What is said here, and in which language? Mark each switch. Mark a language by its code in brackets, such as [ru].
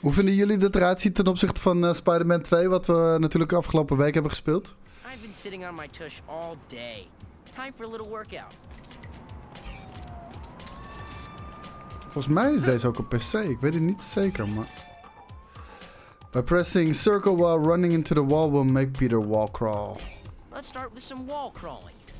[nl] Hoe vinden jullie dat eruit ziet ten opzichte van Spider-Man 2, wat we natuurlijk afgelopen week hebben gespeeld? [en] I've been sitting on my tush all day. Time for a little workout. [nl] Volgens mij is deze ook op PC. Ik weet het niet zeker, maar... [en] By pressing circle while running into the wall will make Peter wall crawl. Let's start with some wall crawling.